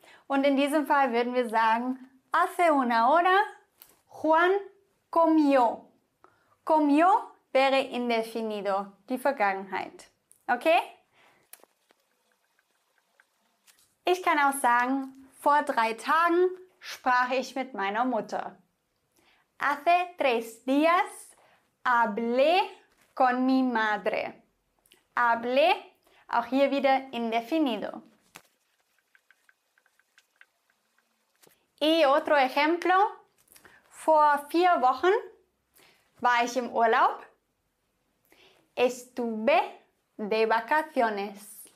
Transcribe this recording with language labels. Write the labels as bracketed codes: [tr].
[de] Und in diesem Fall würden wir sagen, [es] hace una hora Juan comió. [de] Comió wäre indefinido, die Vergangenheit. Okay? Ich kann auch sagen, vor 3 Tagen sprach ich mit meiner Mutter. [es] Hace 3 días hablé con mi madre. [de] Hablé, auch hier wieder indefinido. [es] Y otro ejemplo. [de] Vor 4 Wochen war ich im Urlaub. [es] Estuve de vacaciones.